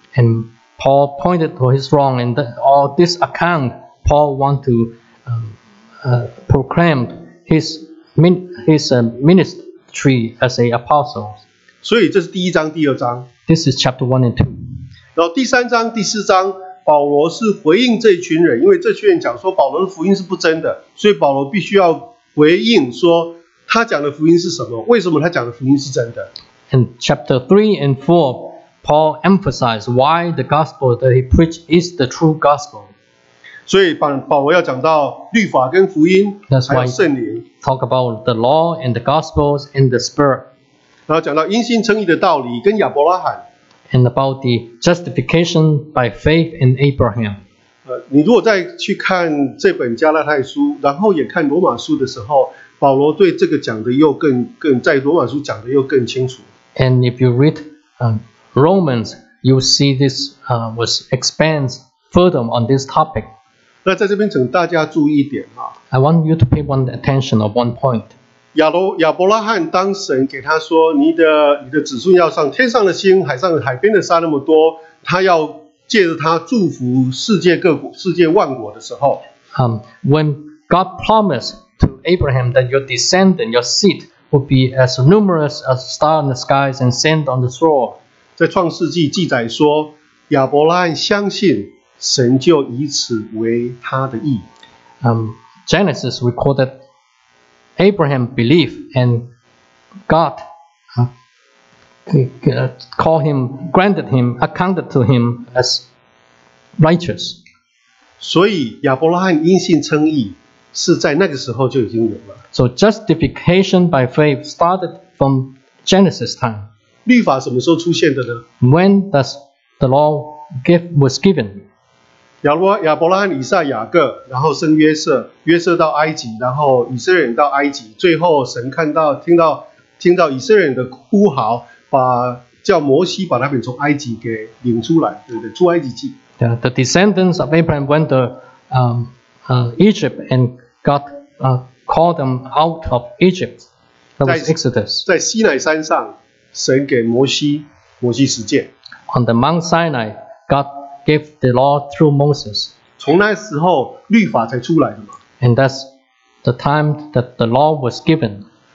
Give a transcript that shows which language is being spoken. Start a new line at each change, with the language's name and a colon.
English: And Paul pointed to his wrong, and all this account, Paul wanted to proclaim his ministry as an apostle.
Chinese: 所以这是第一章、第二章。
English: This is chapter 1 and 2.
Chinese: 然后第三章、第四章。保罗是回应这群人，因为这群人讲说保罗的福音是不真的，所以保罗必须要回应说他讲的福音是什么，为什么他讲的福音是真的。
English: In chapter 3 and 4, Paul emphasized why the gospel that he preached is the true gospel.
Chinese: 所以保罗要讲到律法跟福音，还有圣灵。
English: Talk about the law and the gospels and the spirit.
Chinese: 然后讲到因信称义的道理跟亚伯拉罕。
English: And about the justification by faith in Abraham.
Chinese: 你如果再去看这本加拉太书，然后也看罗马书的时候，保罗对这个讲的又更在罗马书讲的又更清楚。
English: And if you read Romans, you see this was expands further on this topic.
Chinese: 那在这边请大家注意一点啊。
English: I want you to pay one attention of one point.
Chinese: 亚伯拉罕当神给他说你的子孙要上天上的星海上海边的沙那么多，他要借着他祝福世界各国世界万国的时候。
English: When God promised to Abraham that your descendant, your seed, would be as numerous as stars in the skies and sand on the shore.
Chinese: 在创世纪记载说亚伯拉罕相信神就以此为他的义。
English: Genesis recorded,Abraham believed and God accounted to him as righteous.
Chinese: 所以亚伯拉罕因信称义。是在那个时候就已经有了。
English: So justification by faith started from Genesis time.
Chinese: 律法什么时候出现的呢？
English: When does the law was given?
Chinese: 亚伯拉罕、以撒、雅各，然后生约瑟，约瑟到埃及，然后以色列人到埃及，最后神看到听到以色列人的哭嚎，把叫摩西把他们从埃及给领出来，对不对？出埃及记。
English: The descendants of Abraham went to Egypt and God called them out of Egypt. That was Exodus.
Chinese: 在西乃山上，神给摩西十诫。
English: On the Mount Sinai, God gave the law through Moses.
Chinese: 从那时候律法才出来的嘛。 And that's the time that the law was given.